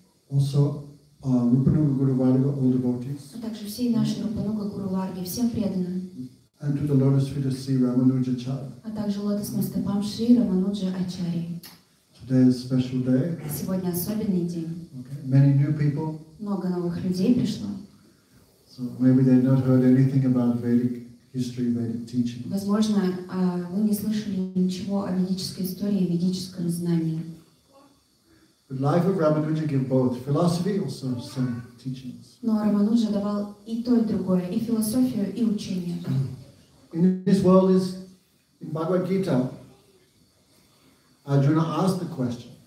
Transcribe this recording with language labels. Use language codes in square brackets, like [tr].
[en] Also, Rupanuga Guru Varga, all devotees. [ru] А также все наши Рупануга Гуру Варги, всем преданным. [en] And to the lotus feet of Sri Ramanuja Chari. [ru] А также лотос мостопам Шри Рамануджа Ачари. [en] Today is a special day. [ru] Сегодня особенный день. [en] Okay. Many new people. [ru] Много новых людей пришло. [en] So maybe they've not heard anything about Vedic history, Vedic teaching. [ru] Возможно, вы не слышали ничего о ведической истории, ведическом знании. [en] But life of Ramanuja gave both philosophy also some teachings. [ru] Но Рамануджа давал и то и другое, и философию, и учение. [en] In this world is in Bhagavad Gita, Arjuna asked the question.